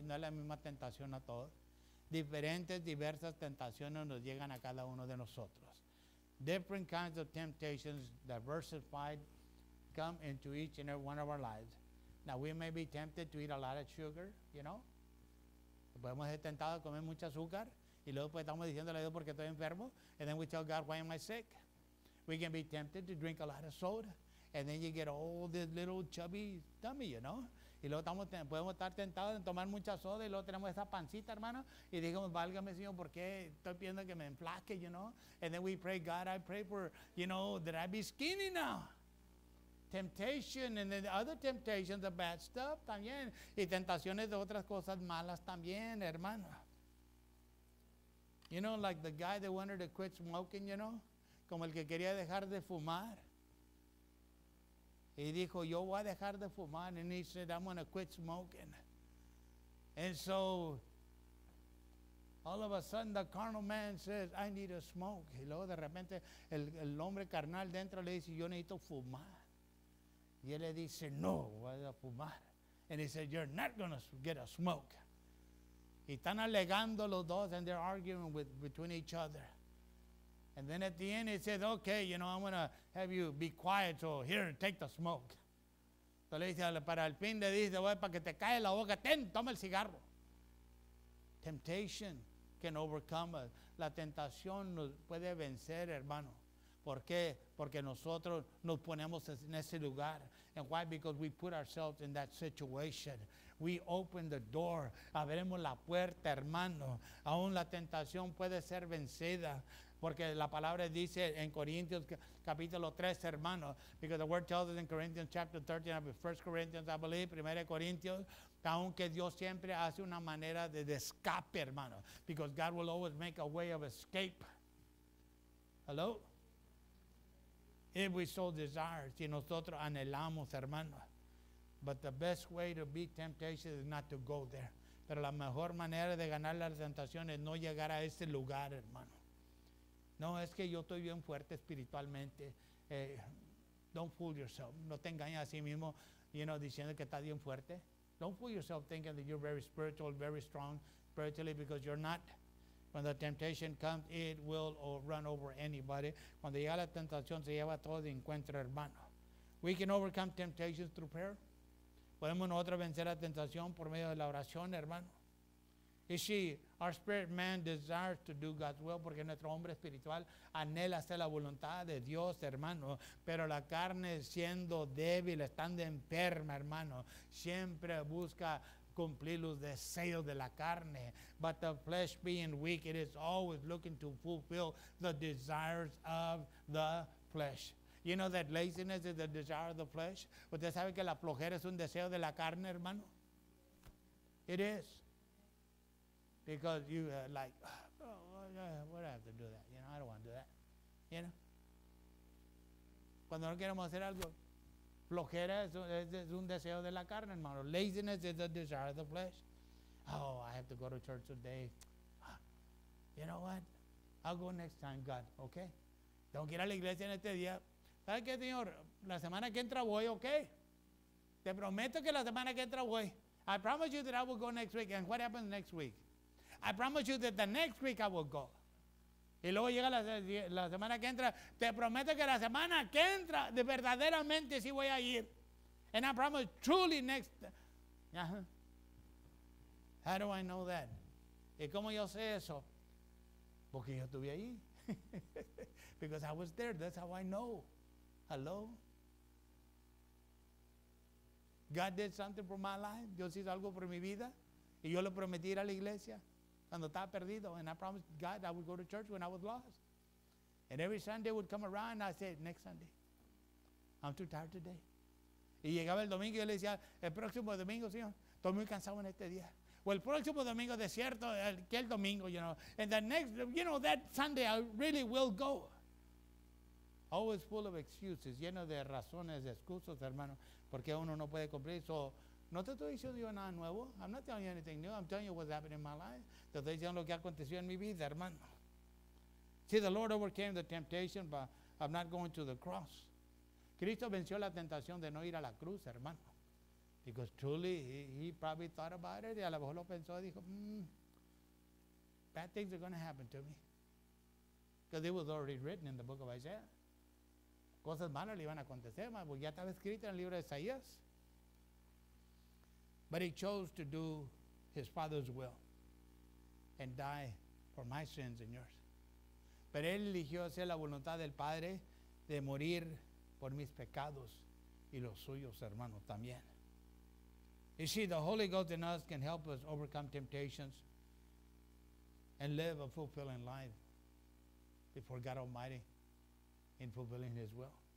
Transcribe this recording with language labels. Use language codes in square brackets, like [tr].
[es] No es la misma tentación a todos. Diferentes, diversas tentaciones nos llegan a cada uno de nosotros. [en] Different kinds of temptations, diversified, come into each and every one of our lives. Now, we may be tempted to eat a lot of sugar, you know. [es] Podemos ser tentados a comer mucho azúcar Y luego pues estamos diciéndole a Dios porque estoy enfermo. [en] And then we tell God, why am I sick? We can be tempted to drink a lot of soda. And then you get all this little chubby tummy, you know. [es] Y luego podemos estar tentados en tomar mucha soda y luego tenemos esa pancita, hermano. Y digamos, válgame, Señor, ¿por qué estoy pidiendo que me enflaque, [en] you know? And then we pray, God, I pray for, you know, that I be skinny now. Temptation, and then the other temptations, the bad stuff, [es] también. Y tentaciones de otras cosas malas también, hermano. [en] You know, like the guy that wanted to quit smoking, you know? [es] Como el que quería dejar de fumar. Y dijo, yo voy a dejar de fumar. [en] And he said, I'm going to quit smoking. And so, all of a sudden, the carnal man says, I need a smoke. [es] Y luego, de repente, el hombre carnal dentro le dice, yo necesito fumar. Y él le dice, no, voy a fumar. [en] And he said, you're not going to get a smoke. [es] Y están alegando los dos, [en] and they're arguing between each other. And then at the end he said, okay, you know, I'm going to have you be quiet, so here, take the smoke. [es] Entonces le dice, para el fin le dice, voy para que te cae la boca, ten, toma el cigarro. [en] Temptation can overcome us. [es] La tentación nos puede vencer, hermano. ¿Por qué? Porque nosotros nos ponemos en ese lugar. [en] And why? Because we put ourselves in that situation. We open the door. [es] Abremos la puerta, hermano. Aún la tentación puede ser vencida. Porque la palabra dice en Corintios capítulo 13, hermano. [en] Because the word tells us in Corinthians chapter 13, 1 Corinthians, I believe, 1 Corinthians. [es] Aunque Dios siempre hace una manera de escape, hermano. [en] Because God will always make a way of escape. Hello? If we so desire, [es] si nosotros anhelamos, hermano. [en] But the best way to beat temptation is not to go there. [es] Pero la mejor manera de ganar la tentación es no llegar a ese lugar, hermano. No, es que yo estoy bien fuerte espiritualmente. [en] Don't fool yourself. [es] No te engañes a sí mismo, [en] you know, [es] diciendo que estás bien fuerte. [en] Don't fool yourself thinking that you're very spiritual, very strong spiritually, because you're not. When the temptation comes, it will run over anybody. [es] Cuando llega la tentación, se lleva todo de encuentro, hermano. [en] We can overcome temptations through prayer. [es] Podemos nosotros vencer la tentación por medio de la oración, hermano. [en] You see, our spirit man desires to do God's will, [es] porque nuestro hombre espiritual anhela hacer la voluntad de Dios, hermano. Pero la carne, siendo débil, estando enferma, hermano, siempre busca cumplir los deseos de la carne. [en] But the flesh being weak, it is always looking to fulfill the desires of the flesh. You know that laziness is the desire of the flesh? [es] ¿Usted sabe que la flojera es un deseo de la carne, hermano? [en] It is. Because you are like, oh, what do I have to do that? You know, I don't want to do that. You know? [es] Cuando no queremos hacer algo, flojera es un deseo de la carne, hermano. [en] Laziness is the desire of the flesh. Oh, I have to go to church today. You know what? I'll go next time, God, okay? [es] Tengo que ir a la iglesia en este día. ¿Sabes qué, señor? La semana que entra voy, okay? Te prometo que la semana que entra voy. [en] I promise you that I will go next week. And what happens next week? I promise you that the next week I will go. [es] Y luego llega la semana que entra. Te prometo que la semana que entra, de verdaderamente sí voy a ir. [en] And I promise truly next. How do I know that? [es] ¿Y cómo yo sé eso? Porque yo estuve ahí. [en] Because I was there. That's how I know. Hello? God did something for my life. [es] Dios hizo algo por mi vida. Y yo lo prometí ir a la iglesia. Cuando estaba perdido, [en] and I promised God I would go to church when I was lost. And every Sunday would come around, and I said, next Sunday, I'm too tired today. [es] Y llegaba el domingo y yo le decía, el próximo domingo, Señor, estoy muy cansado en este día. O el próximo domingo, de cierto, aquel domingo, [en] you know. And the next, you know, that Sunday, I really will go. Always full of excuses, [es] lleno de razones, de excusas, hermano, porque uno no puede cumplir. So, no te estoy diciendo yo nada nuevo. [en] I'm not telling you anything new. I'm telling you what's happened in my life. [es] Te estoy diciendo lo que aconteció en mi vida, hermano. [en] See, the Lord overcame the temptation, but I'm not going to the cross. [es] Cristo venció la tentación de no ir a la cruz, hermano. [en] Because truly, he probably thought about it. [es] Y a lo mejor lo pensó y dijo, [en] bad things are going to happen to me. Because it was already written in the book of Isaiah. [es] Cosas malas le iban a acontecer, porque ya estaba escrito en el libro de Isaías. [en] But he chose to do his Father's will and die for my sins and yours. [es] Pero él eligió hacer la voluntad del Padre de morir por mis pecados y los suyos, hermano, también. [en] You see, the Holy Ghost in us can help us overcome temptations and live a fulfilling life before God Almighty in fulfilling His will.